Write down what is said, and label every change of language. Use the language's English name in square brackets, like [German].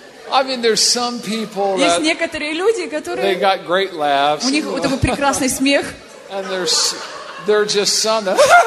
[English] I mean, there's some people that [Russian] есть некоторые люди, которые [English] they got great laughs. [Russian] У них вот такой прекрасный смех. [English] And they're just some that.